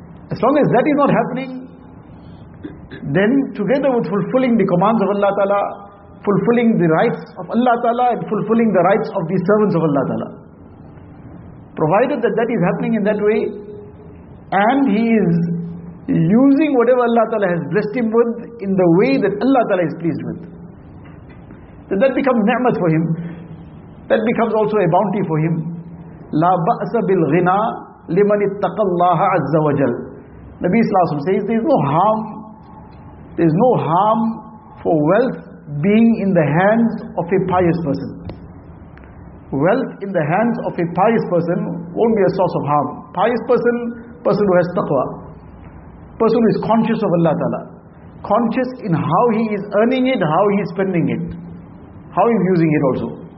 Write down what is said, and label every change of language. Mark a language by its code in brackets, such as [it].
[en] As long as that is not happening, then together with fulfilling the commands of Allah Ta'ala, fulfilling the rights of Allah Ta'ala, and fulfilling the rights of the servants of Allah Ta'ala. Provided that is happening in that way, and he is using whatever Allah Ta'ala has blessed him with in the way that Allah Ta'ala is pleased with, then that becomes ni'mat for him. That becomes also a bounty for him. [ar] لا بأس بالغنى لمن اتقى الله عز وجل. [en] Nabi Sallallahu Alaihi Wasallam says, there is no harm for wealth being in the hands of a pious person. Wealth in the hands of a pious person won't be a source of harm. Pious person, person who has taqwa, person who is conscious of Allah Ta'ala, conscious in how he is earning it, how he is spending it, how he is using it also.